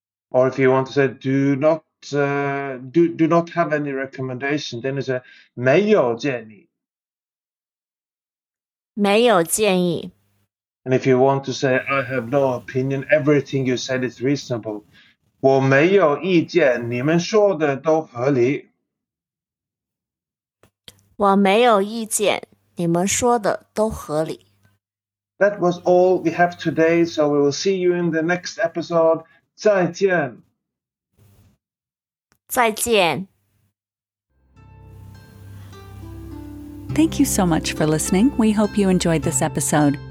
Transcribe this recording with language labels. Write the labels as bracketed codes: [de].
[en] Or if you want to say, do not have any recommendation, then you say, [zh] 没有建议。没有建议。 [en] And if you want to say, I have no opinion, everything you said is reasonable. [zh] 我没有意见,你们说的都合理。我没有意见，你们说的都合理。 [en] That was all we have today, so we will see you in the next episode. [zh] 再见。再见。 [en] Thank you so much for listening. We hope you enjoyed this episode.